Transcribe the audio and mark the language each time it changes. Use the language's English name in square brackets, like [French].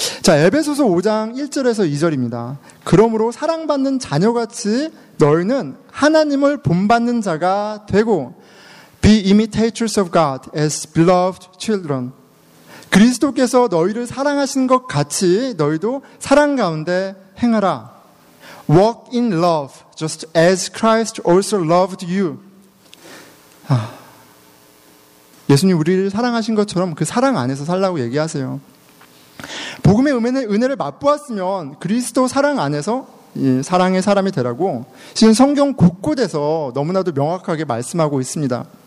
[Korean] 자, 에베소서 5장 1절에서 2절입니다. 그러므로 사랑받는 자녀같이 너희는 하나님을 본받는 자가 되고, [English] Be imitators of God as beloved children. [Korean] 그리스도께서 너희를 사랑하신 것 같이 너희도 사랑 가운데 행하라. [English] Walk in love, just as Christ also loved you. [Korean] 예수님 우리를 사랑하신 것처럼 그 사랑 안에서 살라고 얘기하세요. 복음의 은혜를 맛보았으면 그리스도 사랑 안에서 사랑의 사람이 되라고 지금 성경 곳곳에서 너무나도 명확하게 말씀하고 있습니다.